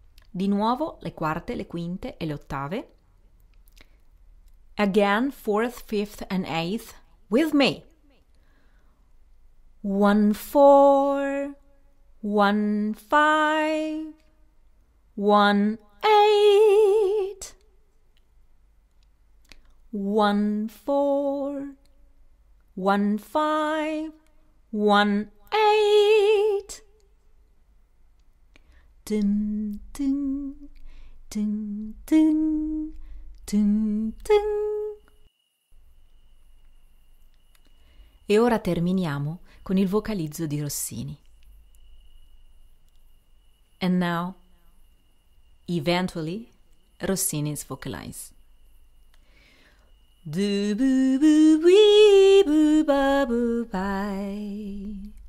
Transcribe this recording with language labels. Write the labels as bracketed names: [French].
[Italian] Di nuovo le quarte, le quinte e le ottave. [English] Again, fourth, fifth and eighth. With me. 1, 4. 1, 5. 1, 8. 1, 4. 1, 5. 1, 8. Ding, ding, ding, ding, ding, ding. [Italian] E ora terminiamo con il vocalizzo di Rossini. [English] And now, eventually, Rossini's vocalize. Do boo boo wee boo ba boo bye.